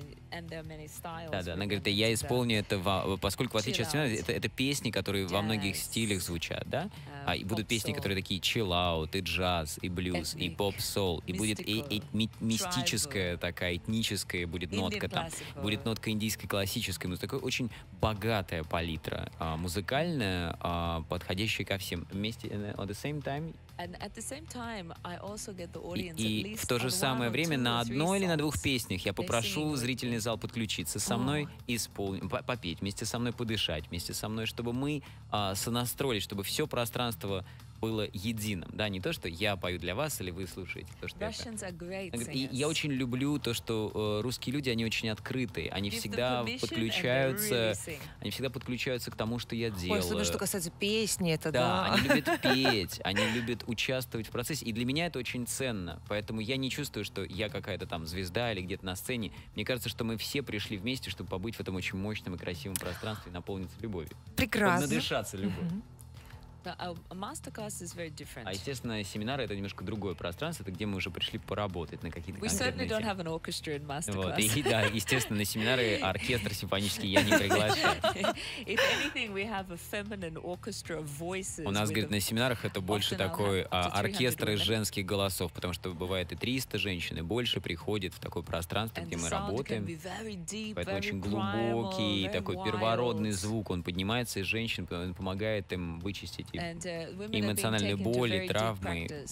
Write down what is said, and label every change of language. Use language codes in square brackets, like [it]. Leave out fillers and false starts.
[ru] Да-да, она говорит, я исполню это, поскольку, в отличие от стена, это песни, которые во многих стилях звучат, да? И будут песни, которые такие чилл-аут, и джаз, и блюз, и поп-сол, и будет мистическая такая, этническая будет нотка там. Будет нотка индийской классической, музыки, такая очень богатая палитра музыкальная, подходящая ко всем. Вместе, [en] at the same time... And at the same time, I also get the audience [ru] и в то же самое время на одной или на двух песнях я попрошу зрительный зал подключиться со мной, попеть, вместе со мной подышать, вместе со мной, чтобы мы сонастроились, чтобы все пространство было единым. Да, не то, что я пою для вас или вы слушаете то, что я очень люблю то, что русские люди, они очень открытые, они всегда подключаются, они всегда подключаются к тому, что я делаю. Особенно, что касается песни, это да. Да, они любят петь, они любят участвовать в процессе, и для меня это очень ценно, поэтому я не чувствую, что я какая-то там звезда или где-то на сцене. Мне кажется, что мы все пришли вместе, чтобы побыть в этом очень мощном и красивом пространстве и наполниться любовью. Прекрасно. Чтобы надышаться любовью. [en] A masterclass is very different. [ru] А естественно, семинары — это немножко другое пространство, это где мы уже пришли поработать на какие-то конкретные. [en] We certainly don't have an orchestra in masterclass. [ru] Вот, и, да, естественно, на семинары оркестр симфонический я не приглашаю. [en] If anything, we have a feminine orchestra of voices. [ru] У нас, говорит, на семинарах это больше такой оркестр из женских голосов, потому что бывает и 300 женщин, и больше приходит в такое пространство, где мы работаем. Это очень глубокий, такой первородный звук, он поднимается из женщин, он помогает им вычистить эмоциональные боли, травмы.